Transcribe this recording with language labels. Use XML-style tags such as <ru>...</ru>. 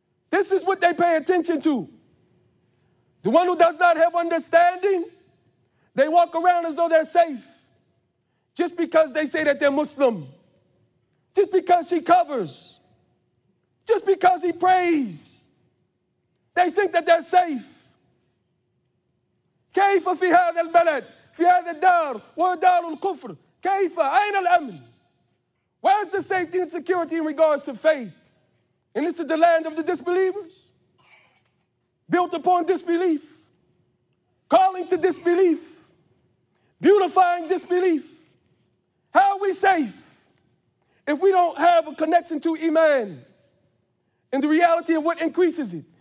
<en>This is what they pay attention to. The one who does not have understanding, they walk around as though they're safe. Just because they say that they're Muslim. Just because he covers. Just because he prays. They think that they're safe.</en> <ar>كيف في هذا البلد في هذا الدار ودار الكفر كيف أين الأمن.</ar> <en>Where's the safety and security in regards to faith? And this is the land of the disbelievers, built upon disbelief, calling to disbelief, beautifying disbelief. How are we safe if we don't have a connection to iman and the reality of what increases it?</en>